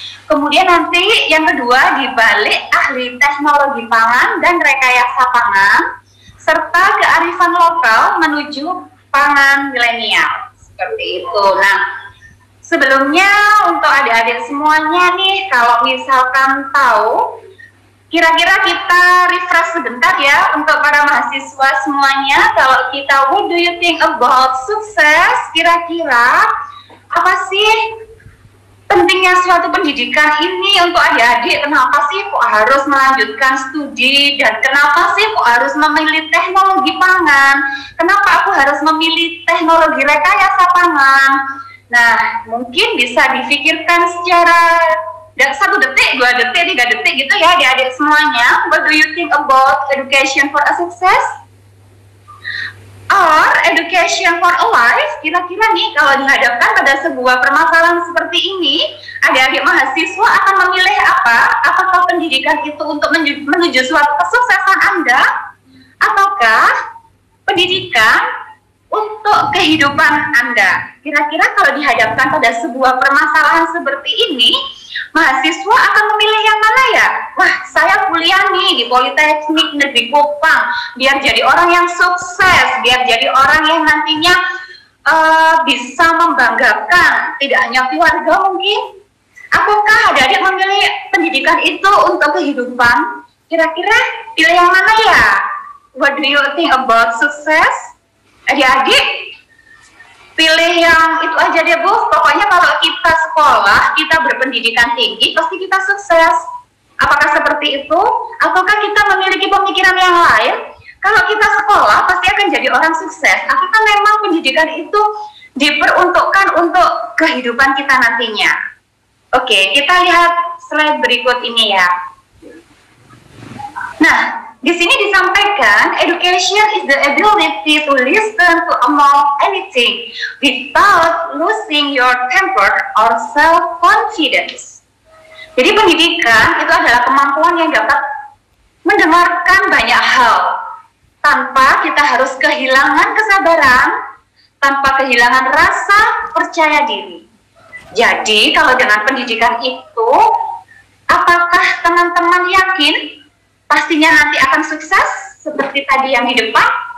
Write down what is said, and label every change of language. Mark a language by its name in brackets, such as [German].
[Indonesian] Kemudian nanti yang kedua dibalik ahli teknologi pangan dan rekayasa pangan, serta kearifan lokal menuju pangan milenial. Seperti itu. Nah, sebelumnya untuk adik-adik semuanya nih, kalau misalkan tahu, kira-kira kita refresh sebentar ya untuk para mahasiswa semuanya. Kalau kita, [English] what do you think about sukses? [Indonesian] Kira-kira apa sih pentingnya suatu pendidikan ini untuk adik-adik? Kenapa sih kok harus melanjutkan studi, dan kenapa sih kok harus memilih teknologi pangan? Kenapa aku harus memilih teknologi rekayasa pangan? Nah, mungkin bisa difikirkan secara 1 detik, 2 detik, 3 detik gitu ya adik-adik semuanya. [English] What do you think about education for a success? Or education for a life, [Indonesian] kira-kira nih kalau dihadapkan pada sebuah permasalahan seperti ini, adik-adik mahasiswa akan memilih apa? Apakah pendidikan itu untuk menuju suatu kesuksesan Anda? Ataukah pendidikan untuk kehidupan Anda? Kira-kira kalau dihadapkan pada sebuah permasalahan seperti ini, mahasiswa akan memilih yang mana ya? Wah, saya kuliah nih di Politeknik Negeri Kupang, biar jadi orang yang sukses, biar jadi orang yang nantinya bisa membanggakan, tidak hanya keluarga mungkin. Apakah adik-adik memilih pendidikan itu untuk kehidupan? kira-kira pilih yang mana ya? [English] What do you think about sukses? [Indonesian] Adik-adik, pilih yang itu aja deh Bu. Pokoknya kalau kita sekolah, kita berpendidikan tinggi, pasti kita sukses. Apakah seperti itu? Ataukah kita memiliki pemikiran yang lain? Kalau kita sekolah, pasti akan jadi orang sukses. Apakah memang pendidikan itu diperuntukkan untuk kehidupan kita nantinya? Oke, kita lihat slide berikut ini ya. Nah, di sini disampaikan, [English] education is the ability to listen to almost anything without losing your temper or self-confidence. [Indonesian] Jadi pendidikan itu adalah kemampuan yang dapat mendengarkan banyak hal tanpa kita harus kehilangan kesabaran, tanpa kehilangan rasa percaya diri. Jadi kalau dengan pendidikan itu, apakah teman-teman yakin pastinya nanti akan sukses seperti tadi yang di depan?